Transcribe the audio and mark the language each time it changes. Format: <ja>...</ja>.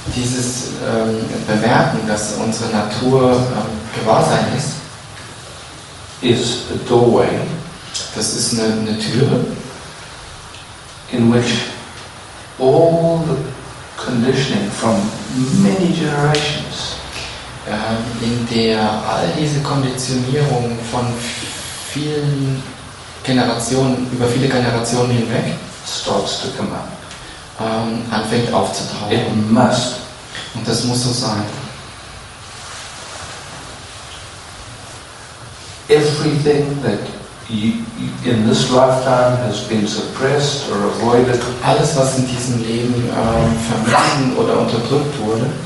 <de>Dieses Bemerken, dass unsere Natur Gewahrsein ist,</de> <en>is a doorway.</en> <de>Das ist eine Tür,</de> <en>in which all the conditioning from many generations,</en> <de>in der all diese Konditionierung von vielen Generationen, über viele Generationen hinweg,</de> <en>starts to come up.</en> <de>Anfängt aufzutauchen.</de> <en>It must.</en> <de>Und das muss so sein.</de> <en>Everything that you in this lifetime has been suppressed or avoided.</en> <de>Alles, was in diesem Leben vermieden oder unterdrückt wurde.</de>